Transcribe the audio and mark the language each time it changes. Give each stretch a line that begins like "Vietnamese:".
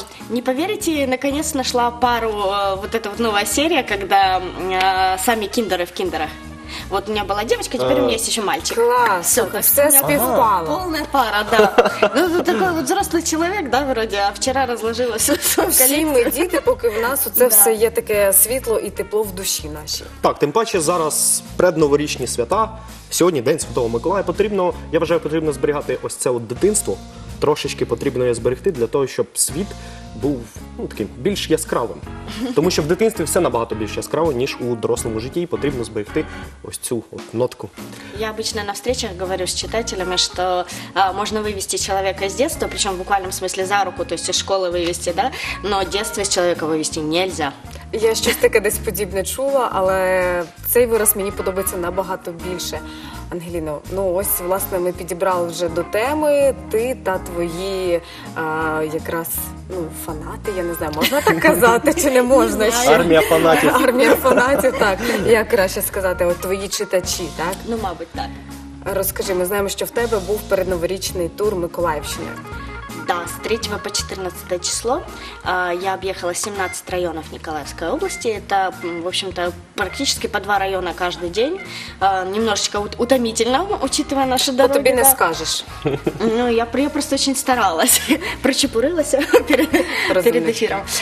Ukrainian: Не повірите,
Russian: наконец
Ukrainian: знайшла пару,
Russian: вот эта вот новая серия, когда сами киндеры в киндерах. Вот у меня была девочка, теперь у меня есть еще мальчик. Класс, все совпало. Полная пара, да. Ну, такой вот взрослый человек, да, вроде, а вчера разложилось.
Ukrainian: Всі ми діти, поки в нас це все є таке світло і тепло в душі нашій. Так, тим паче зараз предноворічні свята, сьогодні День Святого Миколая. Я вважаю, потрібно зберігати ось це от дитинство. Трошечки потрібно її зберегти для того, щоб світ був таким більш яскравим. Тому що в дитинстві все набагато більш яскраво, ніж у дорослому житті, і потрібно зберегти ось цю от нотку.
Russian: Я обычно на встречах говорю с читателями, что можно вывести человека из детства, причем в буквальном смысле за руку, то есть из школы вывести, да, но детство из человека вывести нельзя.
Ukrainian: Я щось таке десь подібне чула, але цей вираз мені подобається набагато більше. Ангеліно, ну ось, власне, ми підібрали вже до теми, ти та твої якраз, ну, фанати, я не знаю, можна так казати чи не можна? Армія фанатів. Армія фанатів, так. Як краще сказати, от твої читачі, так? Ну, мабуть, так. Розкажи, ми знаємо, що в тебе був передноворічний тур Миколаївщини.
Russian: Да, с 3 по 14 число я объехала 17 районов Николаевской области. Это, в общем-то, практически по 2 района каждый день. Немножечко утомительно, учитывая наши дороги. Тебе не скажешь. Ну, я просто очень старалась, прочепурилась перед эфиром.